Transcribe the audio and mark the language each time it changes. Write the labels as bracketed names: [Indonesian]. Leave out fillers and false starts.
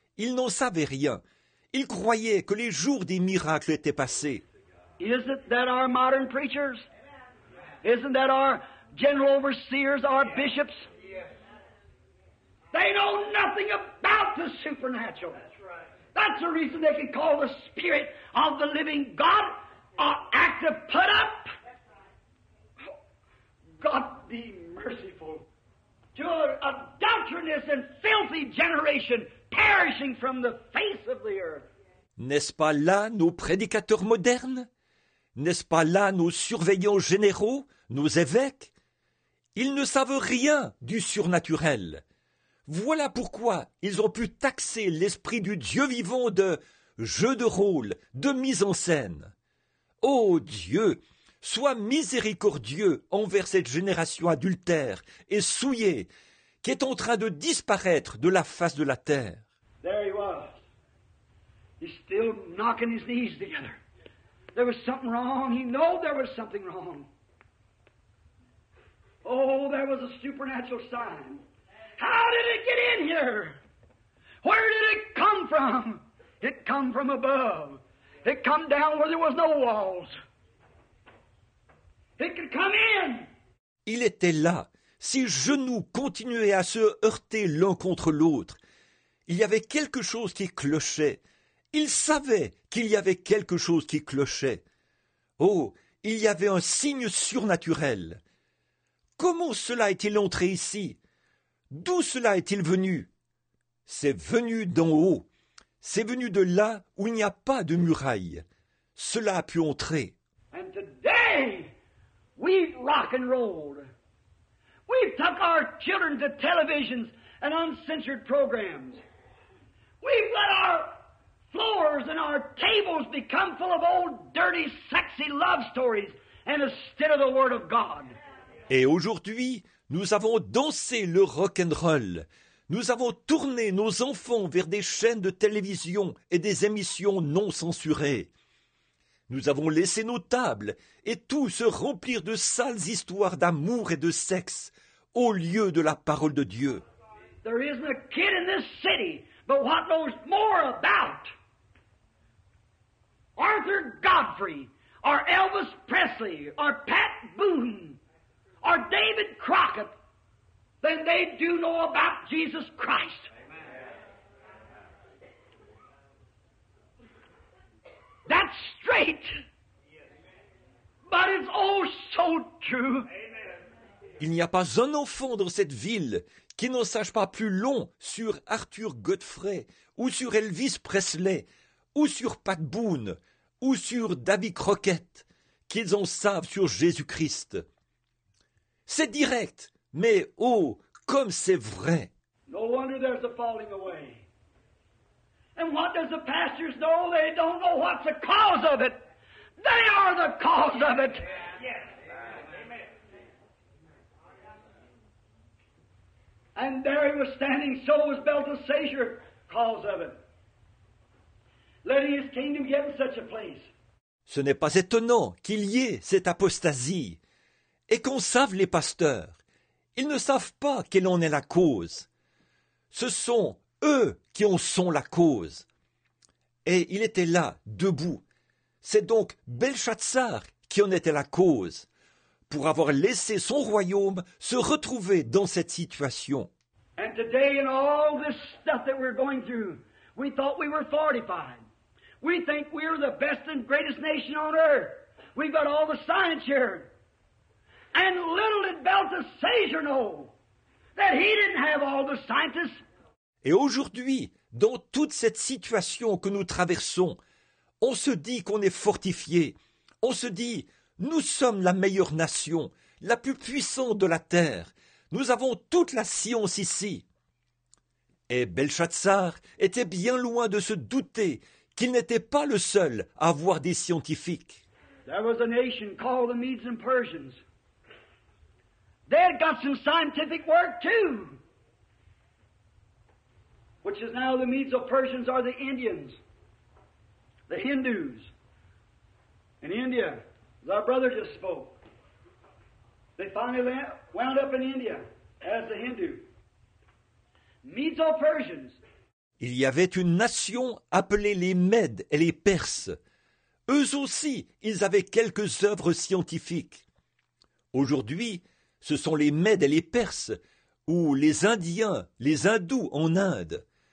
[French] Il n'en savait rien. Il croyait que les jours des miracles étaient passés. [English] Isn't that our modern preachers? Isn't that our general overseers, our bishops? They know nothing about the supernatural. That's right. That's the reason they can call the spirit of the living God an act of put up. God be merciful to a doctrinous and filthy generation perishing from the face of the earth. [French] N'est-ce pas là nos prédicateurs modernes? N'est-ce pas là nos surveillants généraux, nos évêques? Ils ne savent rien du surnaturel. Voilà pourquoi ils ont pu taxer l'esprit du Dieu vivant de jeu de rôle, de mise en scène. Ô Dieu, sois miséricordieux envers cette génération adultère et souillée qui est en train de disparaître de la face de la terre. [English] There he was. He's still knocking his knees together. There was something wrong. He knew there was something wrong. Oh, there was a supernatural sign. How did it get in here? Where did it come from? It come from above. It come down where there was no walls. It could come in. [French] Il était là. Ses genoux continuaient à se heurter l'un contre l'autre. Il y avait quelque chose qui clochait. Il savait qu'il y avait quelque chose qui clochait. Oh, il y avait un signe surnaturel. Comment cela est-il entré ici? D'où cela est-il venu? C'est venu d'en haut. C'est venu de là où il n'y a pas de muraille. Cela a pu entrer. [English] And today, we rock and roll. We took our children to televisions and uncensored programs. We've let our floors and our tables become full of old, dirty, sexy love stories and instead of the Word of God. [French] Et aujourd'hui, nous avons dansé le rock and roll. Nous avons tourné nos enfants vers des chaînes de télévision et des émissions non censurées. Nous avons laissé nos tables et tout se remplir de sales histoires d'amour et de sexe au lieu de la parole de Dieu. [English] There isn't a kid in this city, but what knows more about Arthur Godfrey, or Elvis Presley, or Pat Boone, or David Crockett, then they do know about Jesus Christ. Amen. That's straight. Yes. But it's all so true. Amen. [French] Il n'y a pas un enfant dans cette ville qui n'en sache pas plus long sur Arthur Godfrey, ou sur Elvis Presley, ou sur Pat Boone, ou sur David Crockett, qu'ils en savent sur Jésus-Christ. C'est direct, mais oh, comme c'est vrai. [English] No wonder there's a falling away. And what does the pastors know? They don't know what's the cause of it. They are the cause of it. Yes. And there he was standing, so was Belteshazzar, cause of it. Letting his kingdom get in such a place. [French] Ce n'est pas étonnant qu'il y ait cette apostasie. Et qu'en savent les pasteurs? Ils ne savent pas quelle en est la cause. Ce sont eux qui en sont la cause. Et il était là, debout. C'est donc Belshazzar qui en était la cause, pour avoir laissé son royaume se retrouver dans cette situation. [English] And today in all this stuff that we're going through, we thought we were fortified. We think we're the best and greatest nation on earth. We've got all the science here. And little did Belshazzar know that he didn't have all the scientists. [French] Et aujourd'hui, dans toute cette situation que nous traversons, on se dit qu'on est fortifié. On se dit, nous sommes la meilleure nation, la plus puissante de la terre. Nous avons toute la science ici. Et Belshazzar était bien loin de se douter qu'il n'était pas le seul à avoir des scientifiques. [English] There was a nation called the Medes and Persians. They had got some scientific work too. Which is now the Medes and Persians are the Indians. The Hindus. In India, as our brother just spoke. They finally wound up in India as the Hindu. Medes and Persians. [French] Il y avait une nation appelée les Mèdes et les Perses. Eux aussi, ils avaient quelques œuvres scientifiques. Aujourd'hui, ce sont les Mèdes et les Perses, ou les Indiens, les Hindous en Inde.